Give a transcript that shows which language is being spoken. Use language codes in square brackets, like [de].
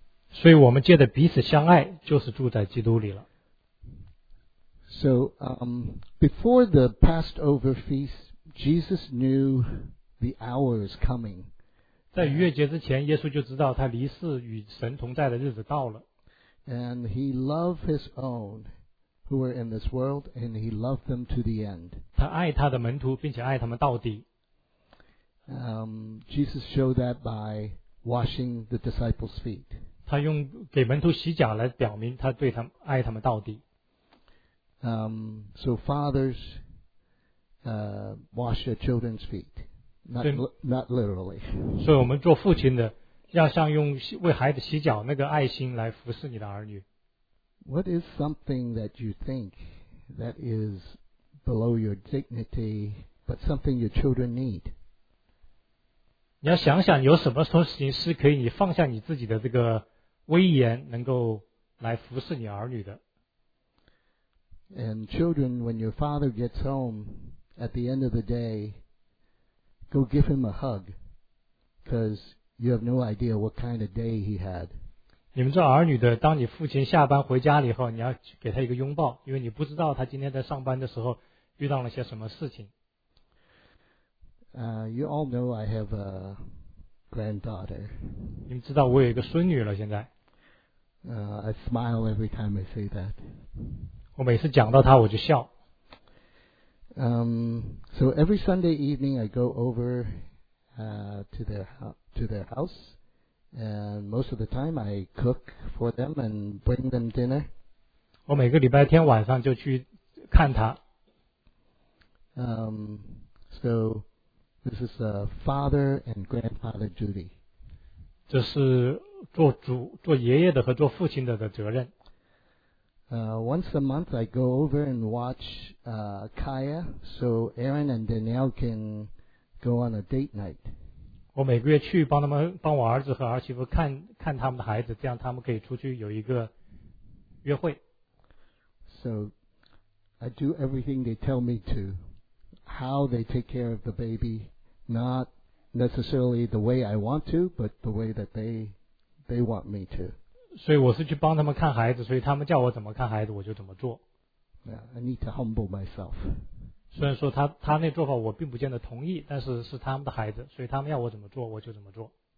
[zh] 所以我们借着彼此相爱就是住在基督里了。 [en] So before the Passover feast, Jesus knew the hour is coming. [zh] 在逾越节之前耶稣就知道他离世与神同在的日子到了。 [en] And he loved his own who were in this world, and he loved them to the end. [zh] 他爱他的门徒并且爱他们到底。 [en] Jesus showed that by washing the disciples' feet. [zh] 他用给门徒洗脚来表明他对他们爱他们到底。 [en] So fathers wash their children's feet, not literally. [zh] 所以我们做父亲的要像用为孩子洗脚那个爱心来服侍你的儿女。 [en] What is something that you think that is below your dignity, but something your children need? [zh] 你要想想有什么事情是可以你放下你自己的这个威严，能够来服侍你儿女的。 [en] And children, when your father gets home at the end of the day, go give him a hug, because you have no idea what kind of day he had. [zh] 你们做儿女的，当你父亲下班回家了以后，你要给他一个拥抱，因为你不知道他今天在上班的时候遇到了些什么事情。 [en] You all know I have a granddaughter. [zh] 你们知道我有一个孙女了，现在。 [en] I smile every time I say that. [zh] 我每次讲到她我就笑。 [en] So every Sunday evening I go over to their house. And most of the time, I cook for them and bring them dinner. [zh] 我每个礼拜天晚上就去看他。 [en] So this is a father and grandfather duty. [zh] 这是做主、做爷爷的和做父亲的责任。 [en] Once a month, I go over and watch Kaya, so Aaron and Danielle can go on a date night. [zh] 我每个月去帮他们帮我儿子和儿媳妇看看他们的孩子，这样他们可以出去有一个约会。 [en] So I do everything they tell me to, how they take care of the baby, not necessarily the way I want to, but the way that they want me to. [zh] 所以我是去帮他们看孩子，所以他们叫我怎么看孩子，我就怎么做。 [en] Yeah, I need to humble myself. [zh] 虽然说他那做法我并不见得同意，但是是他们的孩子，所以他们要我怎么做我就怎么做。